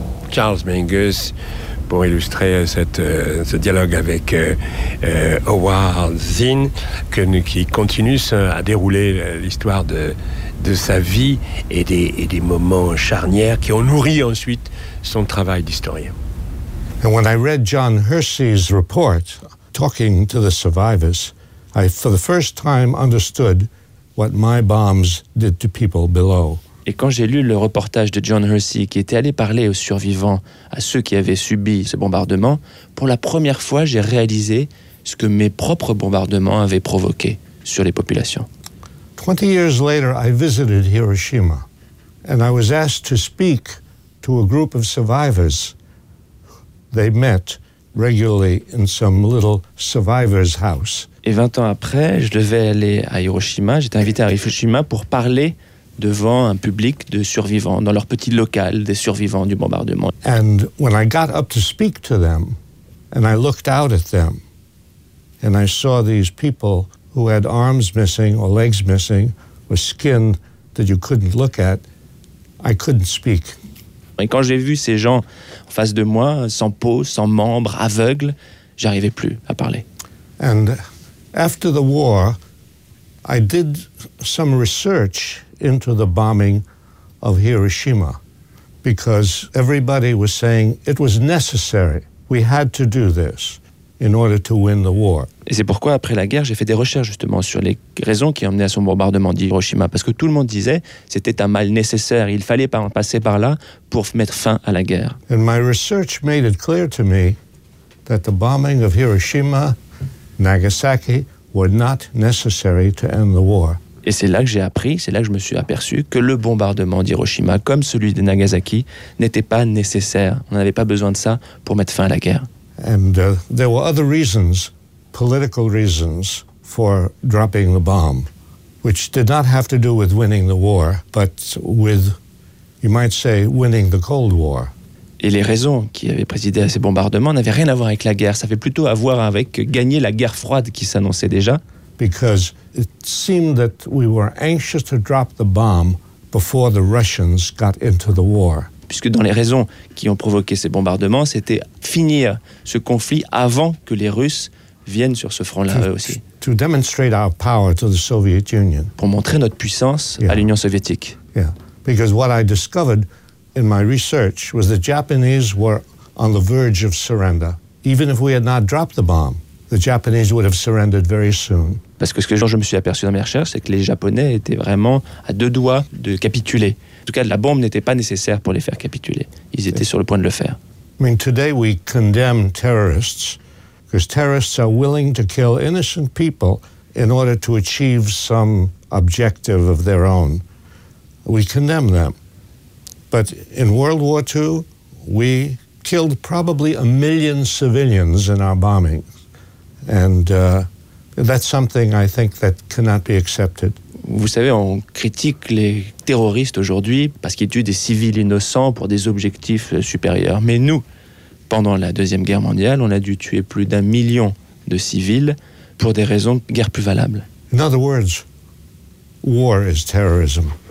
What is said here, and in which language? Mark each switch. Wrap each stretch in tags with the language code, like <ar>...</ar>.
<fr>Charles Mingus, pour illustrer ce dialogue avec Howard Zinn, qui continue à dérouler l'histoire de sa vie et des moments charnières qui ont nourri ensuite son travail d'historien.</fr> <en>And when I read John Hersey's report, talking to the survivors, I for the first time understood what my bombs did to people below.</en> <fr>Et quand j'ai lu le reportage de John Hersey qui était allé parler aux survivants, à ceux qui avaient subi ce bombardement, pour la première fois, j'ai réalisé ce que mes propres bombardements avaient provoqué sur les populations.</fr> <en>20 years later, I visited Hiroshima and I was asked to speak to a group of survivors. They met regularly in some little survivor's house.</en> <fr>Et 20 ans après, je devais aller à Hiroshima, j'étais invité à Hiroshima pour parler devant un public de survivants, dans leur petit local des survivants du bombardement.</fr> <en>And when I got up to speak to them, and I looked out at them, and I saw these people who had arms missing or legs missing, or skin that you couldn't look at, I couldn't speak.</en> <fr>Et quand j'ai vu ces gens en face de moi, sans peau, sans membres, aveugles, j'arrivais plus à parler.</fr> <en>And after the war, I did some research into the bombing of Hiroshima, because everybody was saying it was necessary. We had to do this in order to win the war.</en> <fr>Et c'est pourquoi après la guerre, j'ai fait des recherches justement sur les raisons qui amenaient à son bombardement d'Hiroshima, parce que tout le monde disait c'était un mal nécessaire. Il fallait passer par là pour mettre fin à la guerre.</fr> <en>And my research made it clear to me that the bombing of Hiroshima, Nagasaki were not necessary to end the war.</en> <fr>Et c'est là que j'ai appris, c'est là que je me suis aperçu que le bombardement d'Hiroshima, comme celui de Nagasaki, n'était pas nécessaire. On n'avait pas besoin de ça pour mettre fin à la guerre.</fr> <en>And there were other reasons, political reasons, for dropping the bomb, which did not have to do with winning the war, but with, you might say, winning the Cold War.</en> <fr>Et les raisons qui avaient présidé à ces bombardements n'avaient rien à voir avec la guerre. Ça avait plutôt à voir avec gagner la guerre froide qui s'annonçait déjà.</fr> <en>Because it seemed that we were anxious to drop the bomb before the Russians got into the war.</en> <fr>Puisque dans les raisons qui ont provoqué ces bombardements, c'était finir ce conflit avant que les Russes viennent sur ce front-là aussi.</fr> <en>To demonstrate our power to the Soviet Union.</en> <fr>Pour montrer notre puissance à l'Union soviétique.</fr> <en>Yeah. Because what I discovered in my research was the Japanese were on the verge of surrender, even if we had not dropped the bomb. The Japanese would have surrendered very soon.</en> <fr>Parce que ce que je me suis aperçu dans mes recherches, c'est que les Japonais étaient vraiment à deux doigts de capituler. En tout cas, la bombe n'était pas nécessaire pour les faire capituler. Ils étaient sur le point de le faire.</fr> <en>I mean, today we condemn terrorists because terrorists are willing to kill innocent people in order to achieve some objective of their own. We condemn them. But in World War II, we killed probably a million civilians in our bombing. And that's something I think that cannot be accepted.</en> <fr>Vous savez, on critique les terroristes aujourd'hui parce qu'ils tuent des civils innocents pour des objectifs supérieurs. Mais nous, pendant la Deuxième Guerre mondiale, on a dû tuer plus d'un million de civils pour des raisons de guerre plus valables.</fr> <en>In other words, war is terrorism.</en>